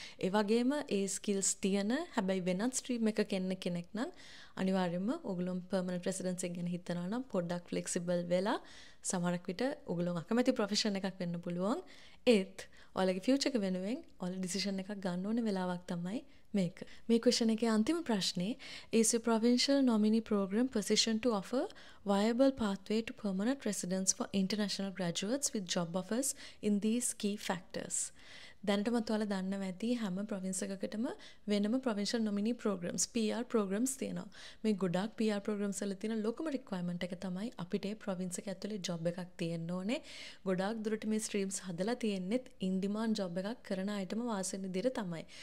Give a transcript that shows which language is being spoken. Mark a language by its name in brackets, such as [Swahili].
[Sinhala] ඒ වගේම ඒ ස්කිල්ස් තියෙන හැබැයි වෙනත් ස්ට්‍රීම් එකක ඉන්න කෙනෙක් නම් අනිවාර්යයෙන්ම ඔගලොන් පර්මනන්ට් රෙසිඩෙන්ස් එක ගැන හිතනවා නම් පොඩ්ඩක් ෆ්ලෙක්සිබල් වෙලා, සමහරක් විට ඔගලොන් අකමැති ප්‍රොෆෙෂන් එකක් වෙන්න පුළුවන්. ඒත් ඔයාලගේ ෆියුචර් එක වෙනුවෙන් ඔයාලා ඩිසිෂන් එකක් ගන්න ඕන වෙලාවක් තමයි මේක. මේ ක්වෙස්චන් එකේ අන්තිම ප්‍රශ්නේ, [English] Is your provincial nominee program positioned to offer viable pathway to permanent residence for international graduates with job offers in these key factors? [Sinhala] දැනටමත් ඔයාලා දන්නව ඇති හැම ප්‍රොවින්ස් එකකටම වෙනම ප්‍රොවින්ෂල් නොමිනි ප්‍රෝග්‍රම්ස් PR ප්‍රෝග්‍රම්ස් තියෙනවා. මේ ගොඩක් PR ප්‍රෝග්‍රම්ස් වල තියෙන ලොකුම රික්වයර්මන්ට් එක තමයි අපිට ඒ ප්‍රොවින්ස් එක ඇතුලේ ජොබ් එකක් තියෙන්න ඕනේ. ගොඩක් දුරට මේ ස්ට්‍රීම්ස් හදලා තියෙන්නේ ඉන් ඩිමාන්ඩ් ජොබ් එකක් කරන අයටම වාසින් දිර තමයි.